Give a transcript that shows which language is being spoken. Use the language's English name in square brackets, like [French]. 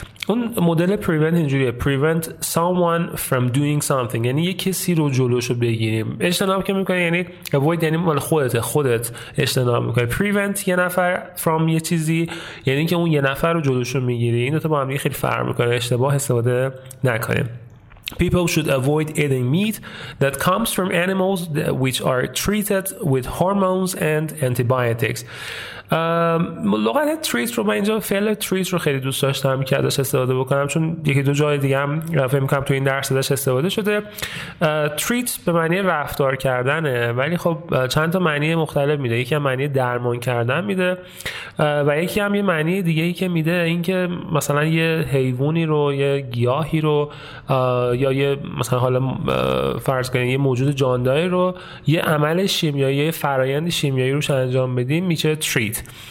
[Persian] اون مدل prevent اینجوریه، [English] prevent someone from doing something [Persian] یعنی یه کسی رو جلوشو بگیریم. اجتناب که میکنی یعنی avoid، یعنی مال خودت اجتناب میکنی. prevent یه نفر from یه چیزی یعنی که اون یه نفر رو جلوشو میگیری. این دوتا با هم خیلی فرق میکنه، اشتباه استفاده نکنیم. [English] People should avoid eating meat that comes from animals which are treated with hormones and antibiotics. [Persian] لغت تریت رو من اینجا فعل تریت رو خیلی دوست داشتم که ازش استفاده بکنم، چون یکی دو جای دیگه هم فکر می‌کنم تو این درس ازش استفاده شده. تریت به معنی رفتار کردنه، ولی خب چند تا معنی مختلف میده. یکی هم معنی درمان کردن میده و یکی هم یه معنی دیگه‌ای که میده این که مثلا یه حیوانی رو، یه گیاهی رو، یا یه مثلا حالا فرض کنید یه موجود جاندار رو یه عمل شیمیایی، یه فرایند شیمیایی روش انجام بدیم میشه تریت.